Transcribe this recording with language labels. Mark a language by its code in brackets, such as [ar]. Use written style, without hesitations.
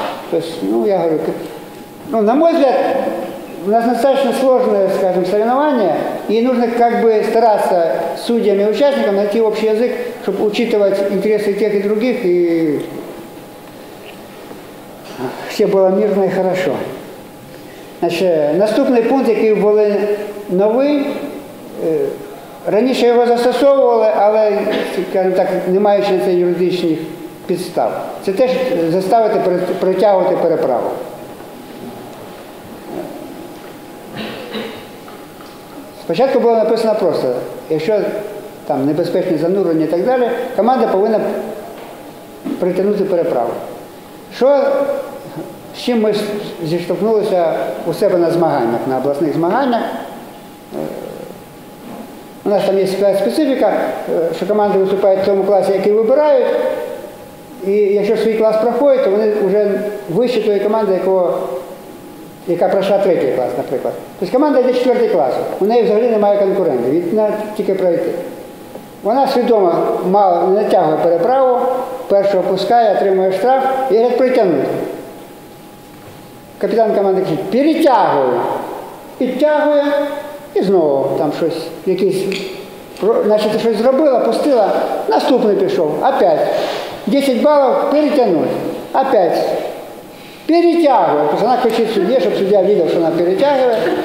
[ru] То есть, ну, я говорю, как, ну, на мой взгляд, у нас достаточно сложное, скажем, соревнование, и нужно как бы стараться судьям и участникам найти общий язык, чтобы учитывать интересы тех и других, и все было мирно и хорошо. [uk] Значит, наступный пункт, який был новый, раніше його застосовували, але, скажімо так, не маючи на це юридичних підстав. Це теж заставити протягувати переправу. Спочатку було написано просто, якщо там небезпечне занурення і так далі, команда повинна притягнути переправу. Що, з чим ми зіштовхнулися у себе на змаганнях, на обласних змаганнях? У нас там є специфіка, що команди виступають в тому класі, який вибирають. І якщо свій клас проходить, то вони вже вище тої команди, яка пройшла третій клас, наприклад. Тобто команда йде четвертий клас, у неї взагалі немає конкурентів, вона тільки пройти. Вона свідомо мало не натягує переправу, першого пускає, отримує штраф і говорить притягнути. [ru] капитан команды кричит, перетягиваю. [uk] И тягує, і знову там щось, якийсь, значить, щось зробила, пустила, наступний пішов, опять. 10 балів перетягнути, опять. Перетягує, тобто вона кричить судді, щоб суддя видав, що вона перетягує.